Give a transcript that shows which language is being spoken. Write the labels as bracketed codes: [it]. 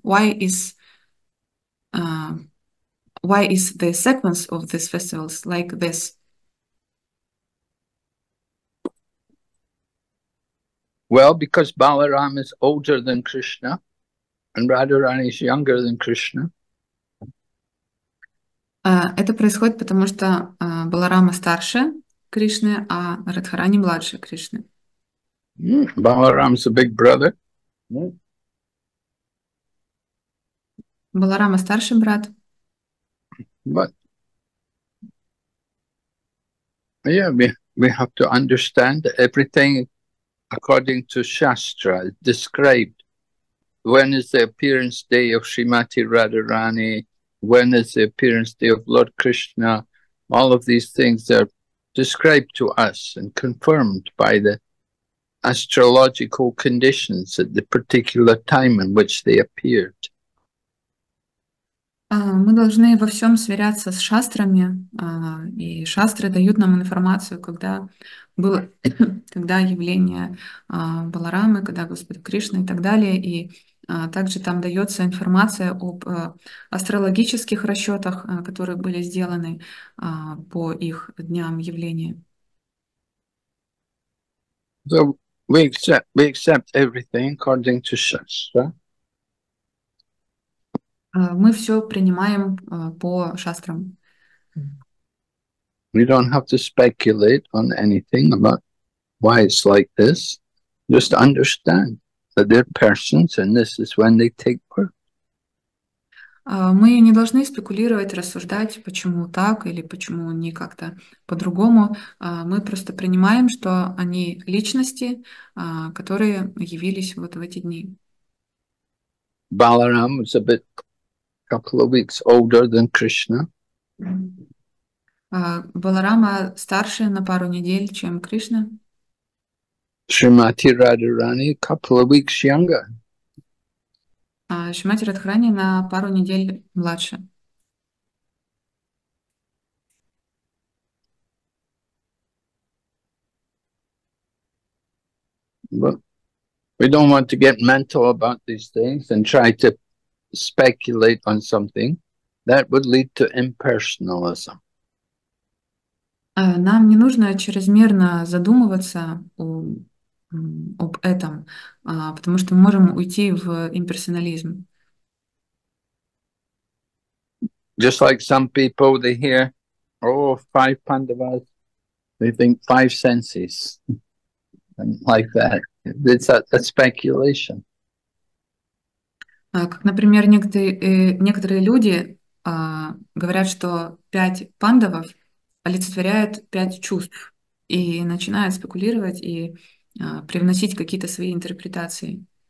[en] Why is the sequence of these festivals like this? Well, because Balaram is older than Krishna and Radharani is younger than Krishna. [ru] Это происходит потому что Баларама старше Кришны, а Радхарани младше Кришны. [en] Balaram's a big brother. [ru] Баларама старший брат. [en] But yeah, we have to understand everything according to Shastra, described. When is the appearance day of Srimati Radharani? When is the appearance day of Lord Krishna? All of these things are described to us and confirmed by the astrological conditions at the particular time in which they appeared. [ru] Мы должны во всем сверяться с шастрами, и шастры дают нам информацию, когда было, когда явление Баларамы, когда Господь Кришна и так далее, и также там дается информация об астрологических расчетах, которые были сделаны по их дням явления. [en] So we accept everything according to Shastra. [ru] Мы все принимаем по шастрам. [en] We don't have to speculate on anything about why it's like this. Just understand that they're persons and this is when they take birth. [ru] Мы не должны спекулировать, рассуждать, почему так или почему не как-то по-другому. Мы просто принимаем, что они личности, которые явились вот в эти дни. [en] Balaram was a bit couple of weeks older than Krishna. [ru] Баларама старше на пару недель, чем Кришна. [en] Шримати Радхарани couple of weeks younger. [ru] Шримати Радхарани на пару недель младше. [en] But we don't want to get mental about these things and try to speculate on something that would lead to impersonalism. [ru] Нам не нужно чрезмерно задумываться об этом, потому что мы можем уйти в имперсонализм. [en] Just like some people, they hear, oh, five Pandavas, they think five senses, and like that. It's a speculation. [ru] Как, например, некоторые люди говорят, что пять пандавов олицетворяют пять чувств и начинают спекулировать и привносить какие-то свои интерпретации.